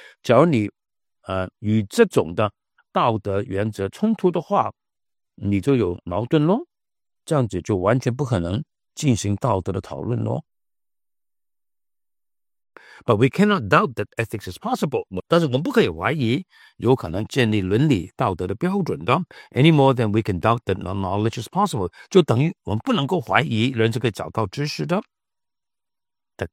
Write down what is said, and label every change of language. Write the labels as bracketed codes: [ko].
[zh] 假如你与这种的道德原则冲突的话，你就有矛盾咯，这样子就完全不可能进行道德的讨论咯。But [en] we cannot doubt that ethics is possible. [zh] 但是我们不可以怀疑有可能建立伦理道德的标准的。Any [en] more than we can doubt that knowledge is possible. [zh] 就等于我们不能够怀疑人是可以找到知识的。The